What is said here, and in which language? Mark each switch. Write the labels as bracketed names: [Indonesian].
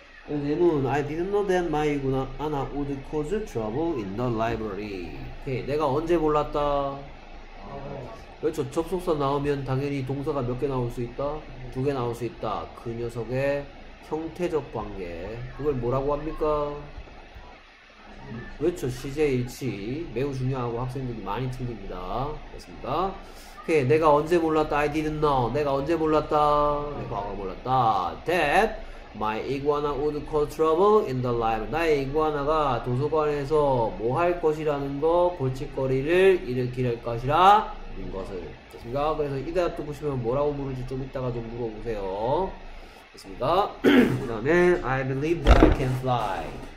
[Korean] 얘는 [English] I didn't know that my Anna would cause trouble in the library. [Korean] 오케이, 내가 언제 몰랐다? 그렇죠. 접속사 나오면 당연히 동사가 몇개 나올 수 있다? 두개 나올 수 있다. 그 녀석의 형태적 관계. 그걸 뭐라고 합니까? 그렇죠. 시제일치 매우 중요하고 학생들이 많이 틀립니다. 그렇습니다. 오케이. 내가 언제 몰랐다. [English] I didn't know. [Korean] 내가 언제 몰랐다. 과거 몰랐다. [English] That my iguana would cause trouble in the library. [Korean] 나의 이구아나가 도서관에서 뭐할 것이라는 거 골칫거리를 일으킬 것이라는 것을. 그렇습니까? 그래서 이 대답 듣고 싶으면 뭐라고 물을지 좀 이따가 좀 물어보세요. 그렇습니다. 그다음에 [English] I believe that I can fly.